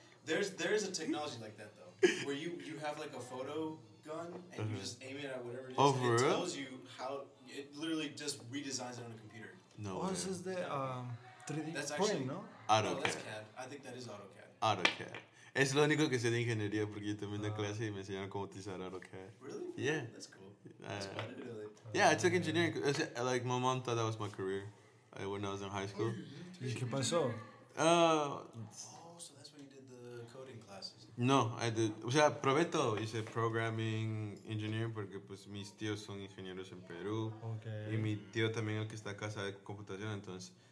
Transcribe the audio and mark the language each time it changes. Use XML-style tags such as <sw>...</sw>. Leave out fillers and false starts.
<en>There's a technology like that though, where you have like a photo gun and you just aim it at whatever. It is. Oh, for real? It tells you how. It literally just redesigns it on a computer. No. What is the 3D? That's actually point, no. AutoCAD. No, that's CAD. I think that is AutoCAD.</en> <es>AutoCAD. Es lo único que sé de ingeniería porque yo también tengo clase y me enseñaron cómo utilizar AutoCAD.</es> <en>Really? Yeah. That's cool. That's cool. Yeah, I took engineering. Like, my mom thought that was my career when I was in high school.</en> <es>¿Y qué pasó?</es> <en>So that's when you did the coding classes. No, I did.</en> <es>O sea, probé todo. Hice programming, engineering, porque pues mis tíos son ingenieros en Perú.</es> <en>Okay.</en> <es>Y mi tío también, el que está a casa de computación, entonces...</es>